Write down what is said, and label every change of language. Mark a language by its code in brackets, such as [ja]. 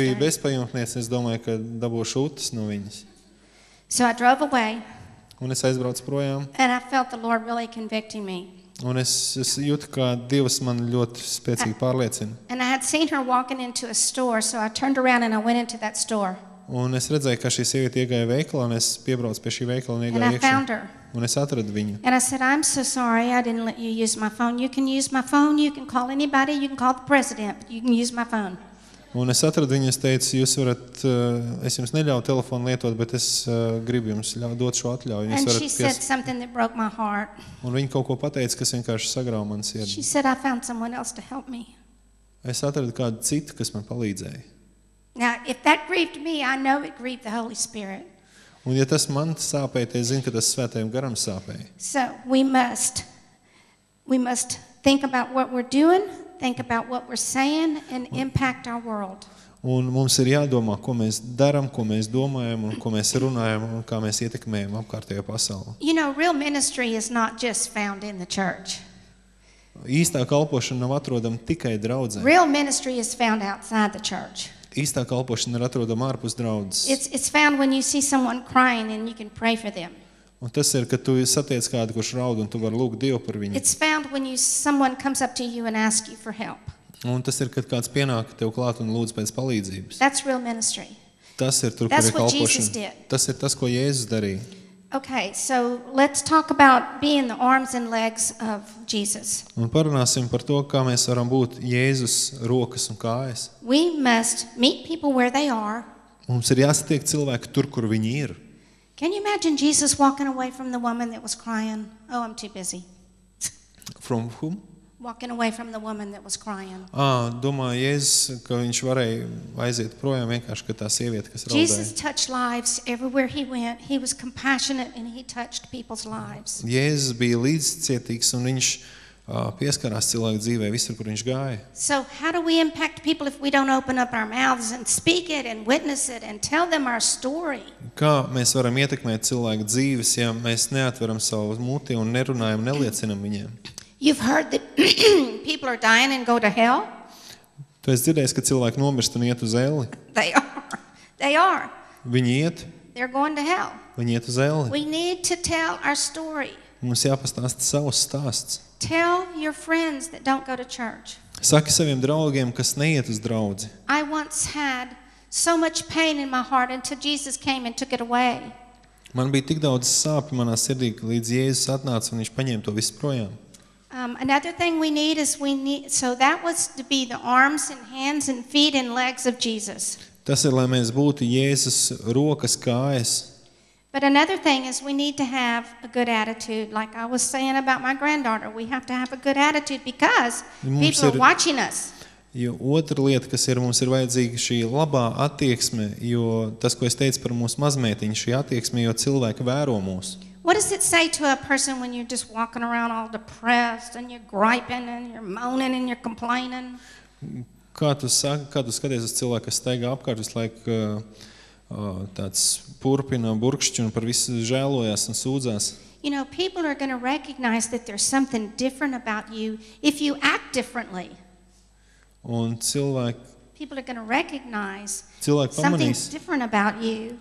[lv] bija bezpajumtniece, es domāju, ka dabūšu ūtas no viņas. [en] So I drove away. [lv] Un es aizbraucu projām. [en] And I felt the Lord really convicting me. [lv] Un es jūtu, ka Dievs man ļoti spēcīgi pārliecina. [en] And I had seen her walking into a store, so I turned around and I went into that store. [lv] Un es redzēju, ka šī sieviete iegāja veikalā, un es piebraucu pie šī veikala un iegāju iekšā. Un es atradu viņu. [en] And I said, I'm so sorry, I didn't let you use my phone. You can use my phone, you can call anybody, you can call the president, but you can use my phone. [lv] Un es atradu viņu, es teicu, jūs varat, es jums neļauju telefonu lietot, bet es gribu jums dot šo atļauju. [en] And she said something that broke my heart. [lv] Un viņa kaut ko pateica, kas vienkārši sagrāva manu sirdi. [en] She said, I found someone else to help me. [lv] Es atradu kādu citu, kas man palīdzēja. [en] Now, if that grieved me, I know it grieved the Holy Spirit. [lv] Un ja tas man sāpēja, tad es zinu, ka tas Svētajam Garam sāpēja. [en] So, we must think about what we're doing, think about what we're saying, and impact our world. [lv] Un mums ir jādomā, ko mēs daram, ko mēs domājam, un ko mēs runājam, un kā mēs ietekmējam apkārtējo pasauli. [en] You know, real ministry is not just found in the church. [lv] Īstā kalpošana nav atrodama tikai draudzē. [en] Real ministry is found outside the church. [lv] Īstā kalpošana ir atrodama ārpus draudzes. [en] It's found when you see someone crying and you can pray for them. [lv] Un tas ir, kad tu satiec kādu, kurš raud, un tu vari lūgt Dievu par viņu. [en] It's found when someone comes up to you and asks you for help. [lv] Un tas ir, kad kāds pienāk tev klāt un lūdz pēc palīdzības. [en] That's real ministry. [lv] Tas ir tur, kur ir kalpošana. Tas ir tas, ko Jēzus darīja. [en] Okay, so let's talk about being the arms and legs of Jesus. [lv] Un parunāsim par to, kā mēs varam būt Jēzus rokas un kājas. [en] We must meet people where they are. [lv] Mums ir jāsatiek cilvēki tur, kur viņi ir. [en] Can you imagine Jesus walking away from the woman that was crying? Oh, I'm too busy. From whom? Walking away from the woman that was crying. [lv] Domāju, Jēzus, ka viņš varēja aiziet projām vienkārši, ka tā sieviete, kas raudāja. [en] Jesus touched lives everywhere he went. He was compassionate and he touched people's lives. [lv] Jēzus bija līdzcietīgs un viņš pieskarās cilvēku dzīvē visur, kur viņš gāja. [en] So how do we impact people if we don't open up our mouths and speak it and witness it and tell them our story? [lv] Kā mēs varam ietekmēt cilvēku dzīves, ja mēs neatveram savu muti un nerunājam, neliecinam viņiem? [en] You've heard that people are dying and go to hell? [lv] Tu esi dzirdējis, ka cilvēki nomirst un iet uz elli? [en] They are. [lv] Viņi iet. [en] They're going to hell. [lv] Viņi iet uz elli. [en] We need to tell our story. [lv] Mums jāpastāsta savas stāsts. [en] Tell your friends that don't go to church. [lv] Saki saviem draugiem, kas neiet uz draudzi. [en] I once had so much pain in my heart until Jesus came and took it away. [lv] Man bija tik daudz sāpju manā sirdī, līdz Jēzus atnāca un viņš paņēma to visu projām. [en] Another thing so that was to be the arms and hands and feet and legs of Jesus. [lv] Tas ir, lai mēs būtu Jēzus rokas, kājas. [en] But another thing is we need to have a good attitude. Like I was saying about my granddaughter, we have to have a good attitude because people are watching us. [lv] Jo otra lieta, kas ir, mums ir vajadzīga šī labā attieksme, jo tas, ko es teicu par mūsu mazmētiņu, šī attieksme, jo cilvēki vēro mūs. [en] What does it say to a person when you're just walking around all depressed and you're griping and you're moaning and you're complaining? [lv] Kā tu skaties uz cilvēku, kas staigā apkārt visu laiku, tāds purpina burkšķi un par visu žēlojas un sūdzas? [en] You know, people are going to recognize that there's something different about you if you act differently. [lv] Un cilvēki [en] People are going to recognize something different about you.